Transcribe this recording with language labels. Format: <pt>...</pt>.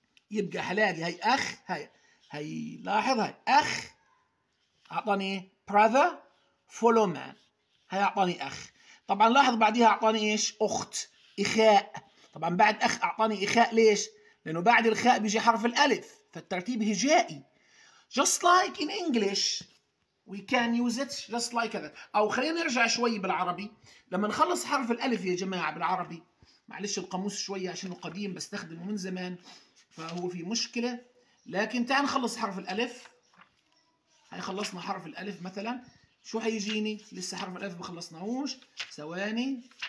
<ar>يبقى حلاقي هاي اخ، هاي لاحظ هاي اخ اعطاني</ar> <en>brother فولو مان،</en> <ar>هاي اعطاني اخ. طبعا لاحظ بعديها اعطاني ايش؟ اخت، اخاء. طبعا بعد اخ اعطاني اخاء ليش؟ لأنه بعد الخاء بيجي حرف الألف، فالترتيب هجائي.</ar> <en>Just like in English, we can use it just like that.</en> <ar>أو خلينا نرجع شوي بالعربي. لما نخلص حرف الألف يا جماعة بالعربي، معلش القاموس شوي عشان قديم بستخدمه من زمان، فهو في مشكلة. لكن تعال نخلص حرف الألف. هاي خلصنا حرف الألف مثلا، شو هيجيني؟ لسه حرف الألف ما خلصناهوش، ثواني.</ar>